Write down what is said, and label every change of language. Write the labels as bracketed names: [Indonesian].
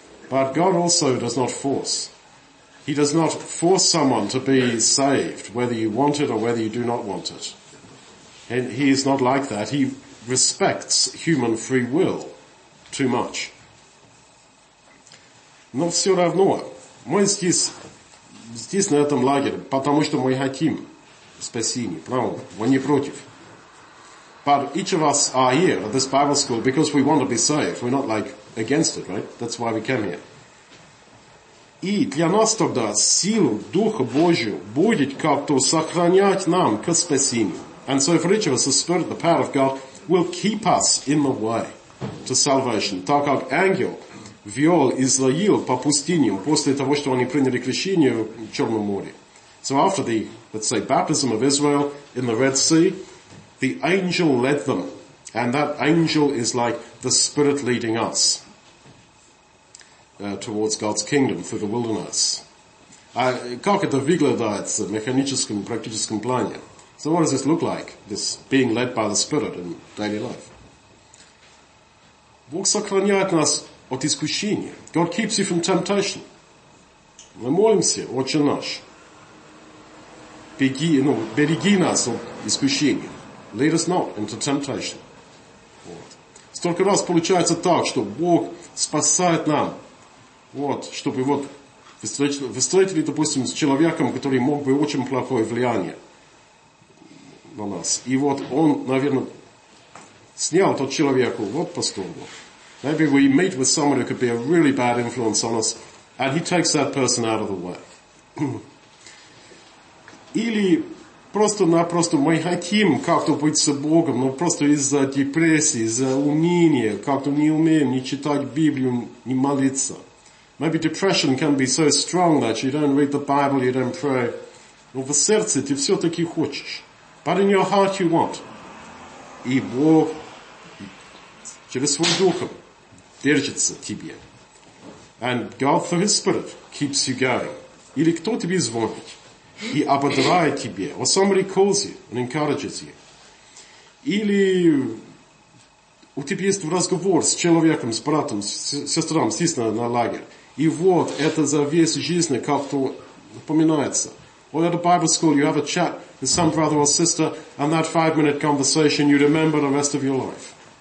[English] But God also does not force. He does not force someone to be saved, whether you want it or whether you do not want it. And he is not like that. He respects human free will too much. [Russian] Но все равно, мы здесь на этом лагере, потому что мы хотим спасения, правда? Мы не против. [English] But each of us are here at this Bible school because we want to be saved. We're not like against it, right? That's why we came here. [Russian] И для нас тогда силу Духа Божию будет как-то сохранять нам к спасению. [English] And so for each of us, the Spirit, the power of God, will keep us in the way to salvation. [Russian] Так как ангел вел Израил по пустыням после того, что они приняли крещение в Черном море. [English] So after the, let's say, baptism of Israel in the Red Sea, the angel led them. And that angel is like the Spirit leading us towards God's kingdom through the wilderness. [Russian] Как это выглядит в механическом, практическом плане? [English] So what does this look like, this being led by the Spirit in daily life? [Russian] Бог сохраняет нас от искушения. [English] God keeps you from temptation. [Russian] Мы молимся, Отче наш. Беги, ну, береги нас от искушения. [English] Lead us not into temptation. Вот. [Russian] Столько раз получается так, что Бог спасает нам. Вот, чтобы вот встретили, допустим, с человеком, который мог бы очень плохое влияние на нас. И вот он, наверное, снял тот человеку, вот пастор Бог. [English] Maybe we meet with someone who could be a really bad influence on us, and he takes that person out of the way. [Russian] Или просто-напросто мы хотим как-то быть с Богом, но просто из-за депрессии, из-за уныния, как-то не умеем ни читать Библию, ни молиться. [English] Maybe depression can be so strong that you don't read the Bible, you don't pray. [Russian] Но в сердце ты все-таки хочешь. [English] But in your heart you want. [Russian] И Бог через свой Дух держится тебе. [English] And God through His Spirit keeps you going. [Russian] Или кто тебе звонит и ободрает тебе. [English] Or somebody calls you and encourages you. [Russian] Или у тебя есть разговор с человеком, с братом, с сестрой, здесь на лагерь. И вот это за весь жизнь как-то напоминается. [English] Or at a Bible school you have a chat with some brother or sister and that 5-minute conversation you remember the rest of your life.